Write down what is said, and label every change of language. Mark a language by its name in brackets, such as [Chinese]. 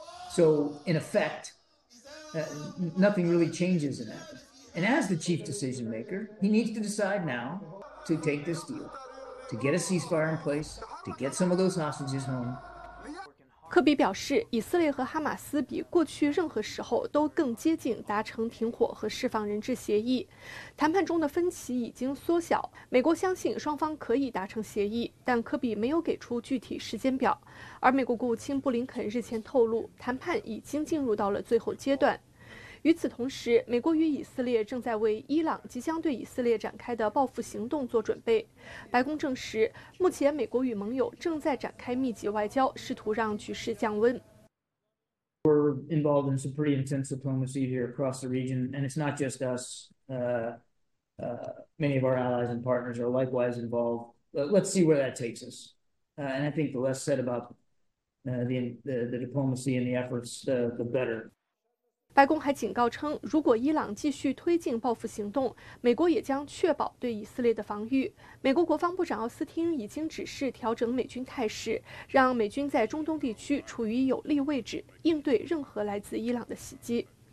[English] So in effect, nothing really changes in that. And as the chief decision maker, he needs to decide now to take this deal, to get a ceasefire in place, to get some of those hostages home. [Chinese] 科比表示，以色列和哈马斯比过去任何时候都更接近达成停火和释放人质协议。谈判中的分歧已经缩小，美国相信双方可以达成协议，但科比没有给出具体时间表。而美国国务卿布林肯日前透露，谈判已经进入到了最后阶段。与此同时，美国与以色列正在为伊朗即将对以色列展开的报复行动做准备。白宫证实，目前美国与盟友正在展开密集外交，试图让局势降温。 [English] We're involved in some pretty intense diplomacy here across the region, and it's not just us. Many of our allies and partners are likewise involved. Let's see where that takes us. And I think the less said about the diplomacy and the efforts, the better. [Chinese] 白宫还警告称，如果伊朗继续推进报复行动，美国也将确保对以色列的防御。美国国防部长奥斯汀已经指示调整美军态势，让美军在中东地区处于有利位置，应对任何来自伊朗的袭击。